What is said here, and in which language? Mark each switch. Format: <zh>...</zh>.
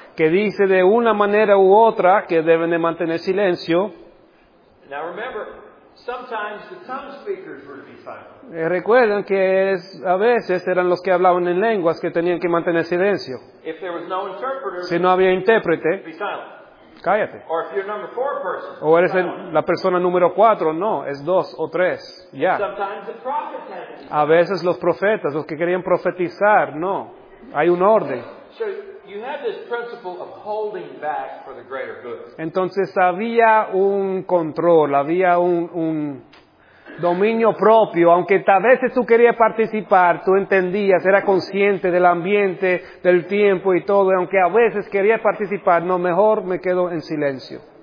<es>Que dice de una manera u otra que deben de mantener silencio.</es> <en>Now remember, sometimes the tongue speakers were to be silent.</en> <es>Recuerden que a veces eran los que hablaban en lenguas que tenían que mantener silencio.</es> <en>If there was no interpreter,</en> <es>si no había intérprete,</es> <en>be silent.</en> <es>Cállate.</es> <en>Or if you're number four person,</en> <es>o eres la persona número cuatro, no, es dos o tres.</es> <en>Yeah. Sometimes the prophets had to be silent.</en> <es>A veces los profetas, los que querían profetizar, no. Hay un orden.</es> <en>So you have this principle of holding back for the greater good.</en> <es>Entonces había un control, había un dominio propio, aunque a veces tú querías participar, tú entendías, era consciente del ambiente, del tiempo y todo, y aunque a veces querías participar, no, mejor me quedo en silencio.</es>